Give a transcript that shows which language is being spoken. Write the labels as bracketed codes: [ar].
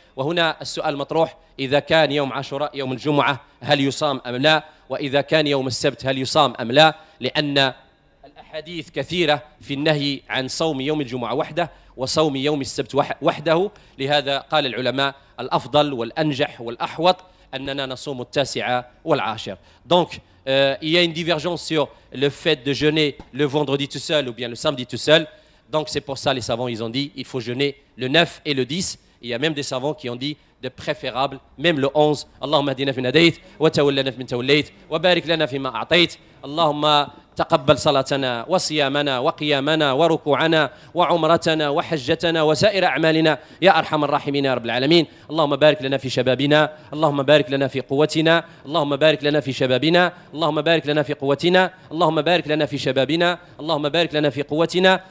[ar] وهنا السؤال المطروح: إذا كان يوم عاشوراء يوم الجمعة هل يصام أم لا؟ وإذا كان يوم السبت هل يصام أم لا؟ لأن الأحاديث كثيرة في النهي عن صوم يوم الجمعة وحده وصوم يوم السبت وحده. لهذا قال العلماء: الأفضل والأنجح والأحوط أننا نصوم التاسعة والعاشر. [fr] Donc, il y a une divergence sur le fait de jeûner le vendredi tout seul ou bien le samedi tout seul. Donc, c'est pour ça les savants, ils ont dit, il faut jeûner le 9 et le 10. Il y a même des savants qui ont dit de préférable, même le 11. [ar] Allahumma hdina fima hadayt, wa tawallana fima tawallayt, wa barik lana fima a'tayt. Allahumma تقبل صلاتنا وصيامنا وقيامنا وركوعنا وعمرتنا وحجتنا وسائر أعمالنا يا أرحم الراحمين يا رب العالمين. اللهم بارك لنا في شبابنا، اللهم بارك لنا في قوتنا، اللهم بارك لنا في شبابنا، اللهم بارك لنا في قوتنا، اللهم بارك لنا في شبابنا، اللهم بارك لنا في قوتنا.